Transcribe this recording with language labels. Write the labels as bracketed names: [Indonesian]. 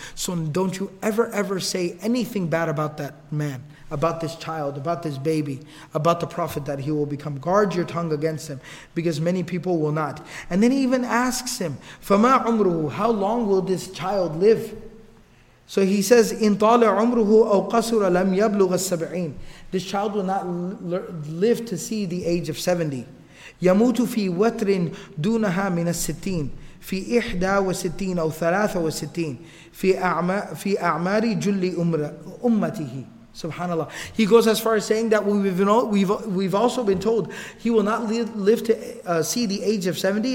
[English] So don't you ever, ever say anything bad about that man, about this child, about this baby, about the prophet that he will become. Guard your tongue against him, because many people will not. And then he even asks him, [Arabic] فَمَا عُمْرُهُ, [English] how long will this child live? So he says, [Arabic] إِن طَالَ عُمْرُهُ أَوْ قَسُرَ لَمْ يَبْلُغَ السَّبْعِينَ. [English] This child will not live to see the age of 70. [Arabic] يَمُوتُ فِي وَتْرٍ دُونَهَا مِنَ السِّتِينَ فِي إِحْدَى وَسِتِينَ أَوْ ثَلَاثَ وَسِتِينَ فِي أَعْمَارِ جُلِّ أُمَّتِهِ. Subhanallah. [English] He goes as far as saying that we've also been told he will not live to see the age of 70.